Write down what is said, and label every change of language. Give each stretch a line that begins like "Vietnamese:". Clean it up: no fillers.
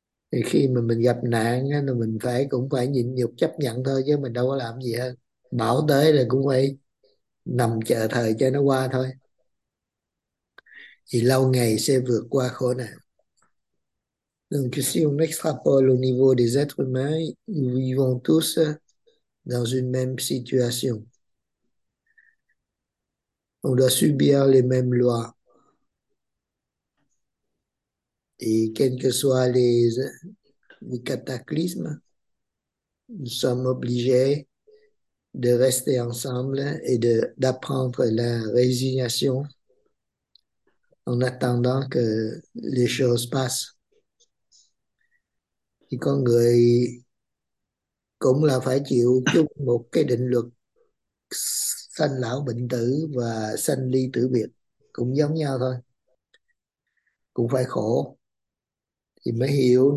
Vietnamese: Thì khi mà mình gặp nạn thì mình phải cũng phải nhịn nhục chấp nhận thôi, chứ mình đâu có làm gì hơn. Bão tới là cũng phải nằm chờ thời cho nó qua thôi, thì lâu ngày sẽ vượt qua khổ nạn.
French: Donc, si on extrapole au niveau des êtres humains, nous vivons tous dans une même situation. On doit subir les mêmes lois. Et quels que soient les cataclysmes, nous sommes obligés de rester ensemble et d'apprendre la résignation en attendant que les choses passent.
Vietnamese: Thì con người cũng là phải chịu chung một cái định luật sanh lão bệnh tử và sanh ly tử biệt, cũng giống nhau thôi, cũng phải khổ thì mới hiểu.